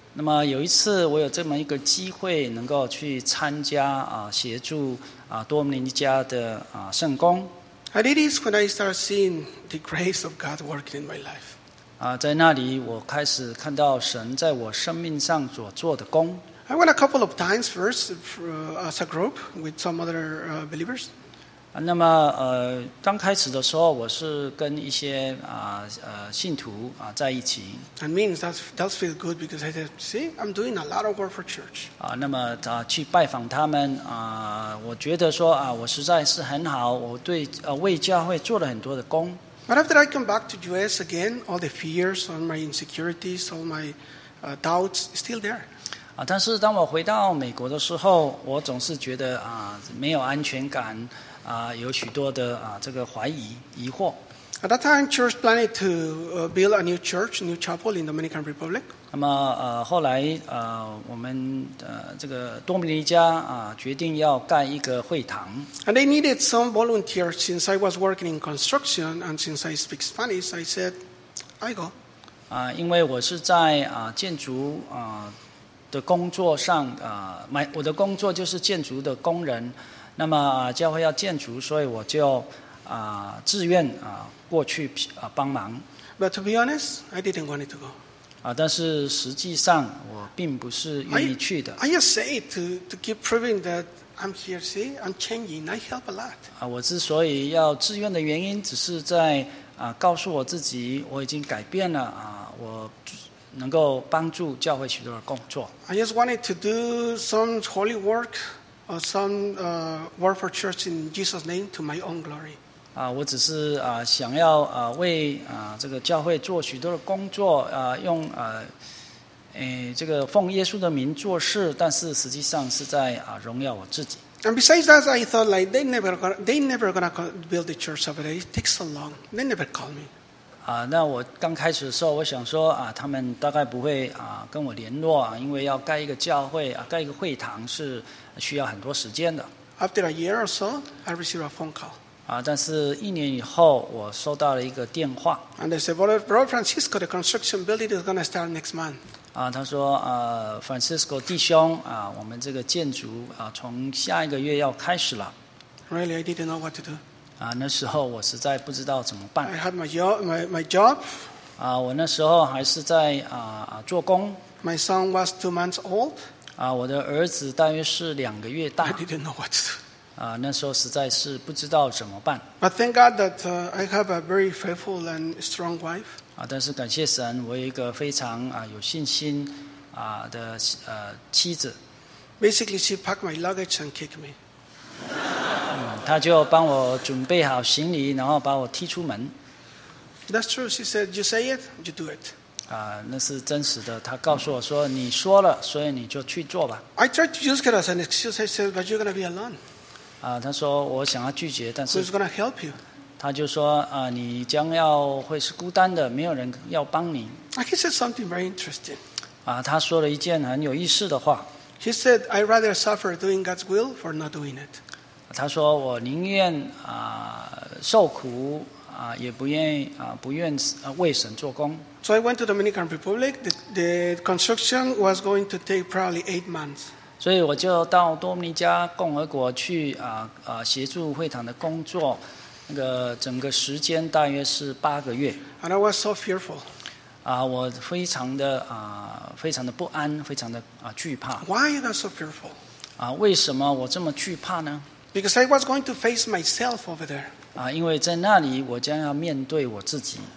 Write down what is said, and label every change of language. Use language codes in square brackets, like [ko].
[zh] 那么有一次我有这么一个机会能够去参加协助多米尼加的圣工。 [en] And it is when I start seeing the grace of God working in my life. [zh] 在那里我开始看到神在我生命上所做的工。 [en] I went a couple of times first as a group with some other believers. [zh] 那么刚开始的时候我是跟一些信徒在一起。 [en] That means that feels good because I said, see, I'm doing a lot of work for church. [zh] 那么去拜访他们我觉得说我实在是很好，我对为教会做了很多的工。 [en] But after I come back to US again, all the fears, all my insecurities, all my doubts still there. [zh] 但是当我回到美国的时候，我总是觉得没有安全感，有许多的这个怀疑疑惑。 [en] At that time, church planned to build a new church, new chapel in the Dominican Republic. [zh] 那么后来我们这个多米尼加决定要盖一个会堂。 [en] And they needed some volunteers. Since I was working in construction and since I speak Spanish, I said, I go. [zh] 因为我是在建筑的工作上我的工作就是建筑的工人。那么教会要建筑，所以我就自愿过去帮忙。 [en] But to be honest, I didn't want it to go. [zh] 但是实际上我并不是愿意去的。 [en] I just say to keep proving that I'm here. See, I'm changing. I help a lot. [zh] 我之所以要自愿的原因，只是在告诉我自己，我已经改变了我能够帮助教会许多的工作。 [en] I just wanted to do some holy work, or some work for church in Jesus' name to my own glory. [zh] 我只是想要为这个教会做许多的工作，用这个奉耶稣的名做事，但是实际上是在荣耀我自己。 [en] And besides that, I thought like they never gonna build the church over there. It takes so long. They never call me. [zh] 那我刚开始的时候，我想说他们大概不会跟我联络，因为要盖一个教会盖一个会堂是需要很多时间的。 [en] After a year or so, I received a phone call. [zh] 但是一年以后，我收到了一个电话。 [en] And they said, well, Brother Francisco, the construction building is gonna start next month. [zh] 他说Francisco 弟兄我们这个建筑从下一个月要开始了。 [en] Really, I didn't know what to do. [zh] 那时候我实在不知道怎么办。 [en] I had my job. [zh] 我那时候还是在做工。 [en] My son was 2 months old. [zh] 我的儿子大约是两个月大。 [en] I didn't know what to do. [zh] 那时候实在是不知道怎么办。 [en] But thank God that I have a very faithful and strong wife. [zh] 但是感谢神，我有一个非常有信心的妻子。 [en] Basically, she packed my luggage and kicked me. [zh] 他就帮我准备好行李，然后把我踢出门。 [en] That's true. She said, "You say it, you do it." [zh] 那是真实的。他告诉我说：“你说了，所以你就去做吧。 [en] ”I tried to use it as an excuse. I said, "But you're going to be alone." [zh] 他说我想要拒绝，但是 [en] Who's going to help you? [zh] 他就说你将要会是孤单的，没有人要帮你。 [en] He said something very interesting. [zh] 他说了一件很有意思的话。 [en] He said, "I'd rather suffer doing God's will for not doing it." [zh] 他说我宁愿受苦也不愿为神做工。 [en] So I went to the Dominican Republic. The construction was going to take probably 8 months. [zh] 所以我就到多米尼加共和国去协助会堂的工作。那个整个时间大约是八个月。 [en] And I was so fearful. [zh] 我非常的非常的不安，非常的惧怕。 [en] Why are you so fearful? [zh] 为什么我这么惧怕呢？ [en] Because I was going to face myself over there. [zh] 因为在那里我将要面对我自己。